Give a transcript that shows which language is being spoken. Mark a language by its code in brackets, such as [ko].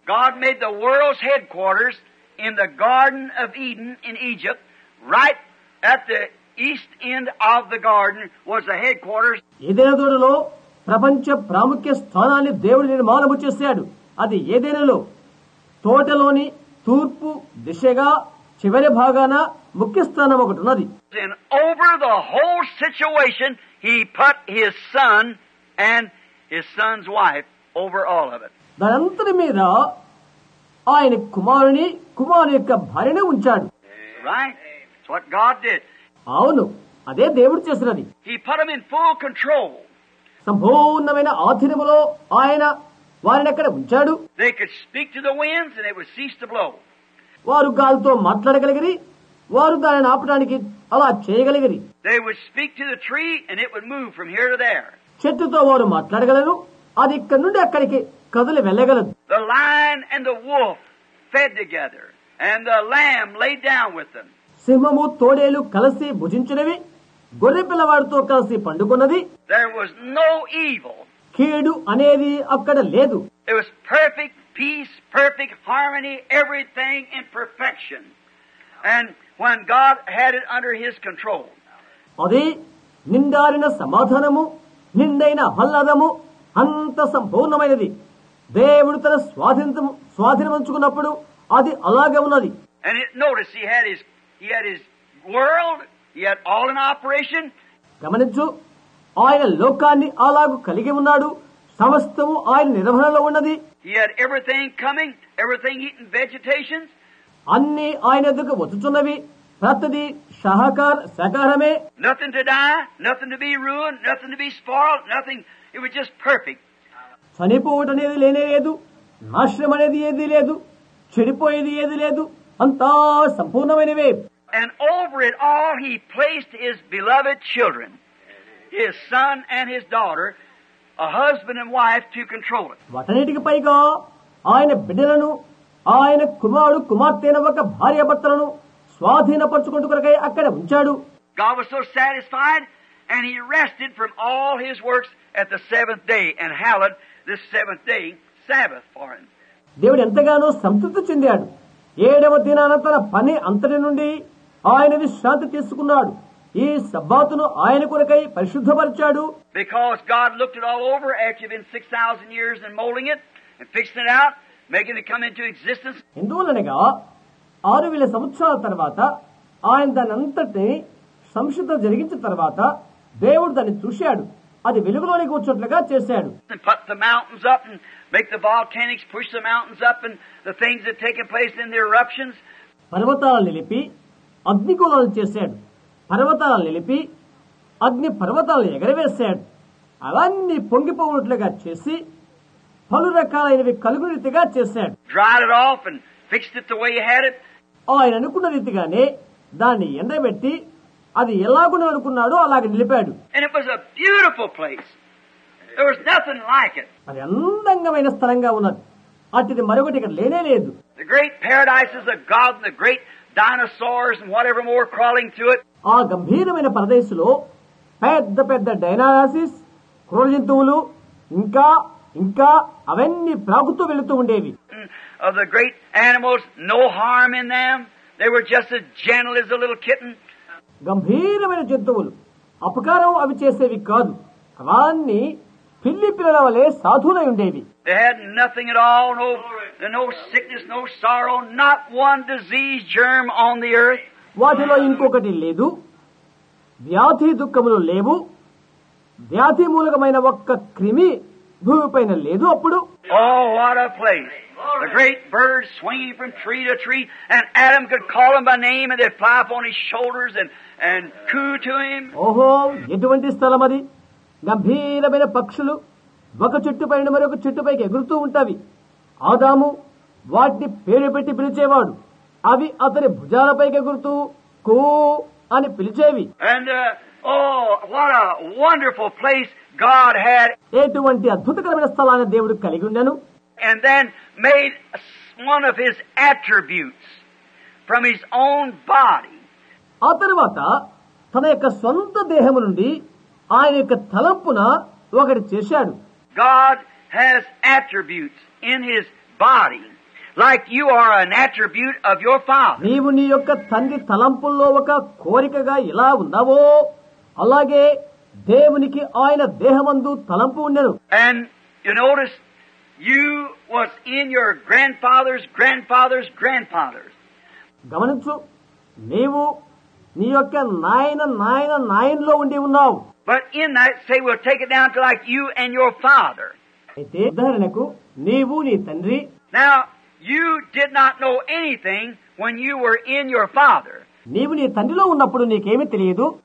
[en] God made the world's headquarters in the Garden of Eden in Egypt. Right at the east end of the garden was the headquarters. [te] Edena todalo ప్రపంచ ప్రాముఖ్య స్థానాన్ని దేవుడు నిర్మాణము చేశాడు. అది ఏదేనలో తోటలోని తూర్పు దిశగా చివరి భాగాన ముఖ్య స్థానం ఒకటి ఉన్నది. [en] Over the whole situation he put his son and his son's wife over all of it. [te] దానంతటి మీద ఆయన కుమారుని కుమారు యొక్క భార్యను ఉంచాడు. [en] Right? That's what God did. [te] అవును, అదే దేవుడు చేసినది. [en] He put him in full control. [te] సంపూర్ణమైన ఆధీనములో ఆయన వారిని అక్కడ ఉంచాడు. [en] They could speak to the winds and it would cease to blow. [te] వారు గాలితో మాట్లాడగలిగిరి, వారు దానిని ఆపడానికి అలా చేయగలిగిరి. [en] They would speak to the tree and it would move from here to there. [te] చెట్టుతో వారు మాట్లాడగలరు, అది ఇక్కడ నుండి అక్కడికి కదలి వెళ్ళగలదు. [en] The lion and the wolf fed together and the lamb laid down with them. [te] సింహము తోడేలు కలిసి భుజించినవి, గొర్రె పిల్లవాడితో కలిసి పండుకున్నది. [en] There was no evil. [te] కీడు అనేది అక్కడ లేదు. [en] It was perfect peace, perfect harmony, everything in perfection. And when God had it under his control. [te] అది నిండారిన సమాధానము, నిండైన ఆహ్లాదము, అంత సంపూర్ణమైనది. దేవుడు తన స్వాధీనపరుచుకున్నప్పుడు అది అలాగే ఉన్నది. [en] And it noticed he had his world. He had all in operation. [te] గమనించు, ఆయన లోకాన్ని అలాగూ కలిగి ఉన్నాడు, సమస్తము ఆయన నిర్వహణలో ఉన్నది. [en] He had everything coming, everything eating vegetation. [te] అన్ని ఆయన దగ్గరకు వచ్చుచున్నవి, ప్రతిది సహకారమే. [en] Nothing to die, nothing to be ruined, nothing to be spoiled, nothing. It was just perfect. [te] చనిపోవటం అనేది లేనేలేదు, నాశనం అనేది ఏది లేదు, చెడిపోయేది ఏది లేదు, అంతా సంపూర్ణమైనవే. [en] And over it all he placed his beloved children, his son and his daughter, a husband and wife to control it. [te] వాటన్నిటికి పైగా ఆయన బిడ్డలను, ఆయన కుమారుడు కుమార్తెను, ఒక భార్య భర్తలను స్వాధీనపరచుకుంటు కొరకై అక్కడ ఉంచాడు. [en] God was so satisfied and he rested from all his works at the seventh day and hallowed this seventh day Sabbath for him. [te] దేవుడు ఎంతగానో సంతృప్తి చెందాడు. ఏడవ దినాన తన పని అంతటి నుండి ఆయన విశ్రాంతి తీసుకున్నాడు. ఈ సబ్బాతును ఆయన కొరకై పరిశుద్ధపరిచాడు. [en] Because God looked it all over after you've been 6,000 years and molding it and fixing it out, making it come into existence. [te] ఇందువలనగా 6,000 సంవత్సరాల తర్వాత ఆయన దాని అంతటిని సంశుద్ధం జరిగించిన తర్వాత దేవుడు దాన్ని చూశాడు, అది వెలుగులోనికి వచ్చినట్లుగా చేశాడు. [en] Put the mountains up and make the volcanics, push the mountains up and the things that take place in the eruptions. [te] పర్వతాలను నిలిపి అగ్నిగోళాలు చేశాడు, పర్వతాలను నిలిపి అగ్ని పర్వతాలను ఎగరవేశాడు. అలాన్ని పొంగిపోనట్లుగా చేసి పలు రకాలైనవి కలుగు రీతిగా చేశాడు. [en] Dried it off and fixed it the way you had it. [te] ఆయన అనుకున్న రీతిగానే దాన్ని ఎండబెట్టి అది ఎలాగో అనుకున్నాడో అలాగే నిలిపాడు. [en] And it was a beautiful place. There was nothing like it. [te] అది అందంగమైన స్థలంగా ఉన్నది, అటుది మరొకటి ఇక్కడ లేనే లేదు. [en] The great paradises of God and the great dinosaurs and whatever more crawling through it. [te] ఆ గంభీరమైన పరదేశిలో పెద్ద పెద్ద డైనోసారస్, క్రూర జంతువులు ఇంకా ఇంకా అవన్నీ ప్రాగుతూ వెళుతూ ఉండేవి. [en] Of the great animals, no harm in them. They were just as gentle as a little kitten. [te] గంభీరమైన జంతువులు అపకారం అవి చేసేవి కాదు, అవన్నీ పిల్లి పిల్లల వలె సాధువులై ఉండేవి. [en] They had nothing at all, no sickness, no sorrow, not one disease germ on the earth. [te] వాటిలో ఇంకొకటి లేదు, వ్యాధి దుఃఖములు లేవు, వ్యాధి మూలకమైన ఒక్క క్రిమి భూమి పైన లేదు అప్పుడు. [en] Oh, what a place! The great birds swinging from tree to tree, and Adam could call them by name, and they'd fly up on his shoulders and coo to him. [te] Oh, ఎటువంటి స్థలం అది! గంభీరమైన పక్షులు ఒక చెట్టు పైన మరొక చెట్టు పైకి ఎగురుతూ ఉంటావి. ఆదాము వాటిని పేరు పెట్టి పిలిచేవాడు, అవి అతని భుజాలపైకి ఎగురుతూ కూ అని పిలిచేవి. [en] And what a wonderful place God had. [te] ఎటువంటి అద్భుతకరమైన స్థలాన్ని దేవుడు కలిగి ఉండను. [en] And then made one of his attributes from his own body. [te] ఆ తర్వాత తన యొక్క సొంత దేహము నుండి ఆయన యొక్క తలంపున ఒకటి చేశాడు. [en] God has attributes in his body, like you are an attribute of your father. [te] నీవు నీ యొక్క తండ్రి తలంపుల్లో ఒక కోరికగా ఎలా ఉన్నావో అలాగే దేవునికి ఆయన దేహమందు తలంపు ఉన్నారు. [en] And you notice you was in your grandfather's grandfather's grandfather's. [te] గమనించు, నీవు నీ యొక్క నాయన నాయన నాయనలో ఉండి ఉన్నావు. [en] But in that, say, we'll take it down to like you and your father. [te] ఉదాహరణకు నీవు నీ తండ్రి. [en] Now, you did not know anything when you were in your father. [te] నీవు నీ తండ్రిలో ఉన్నప్పుడు నీకేమీ తెలియదు.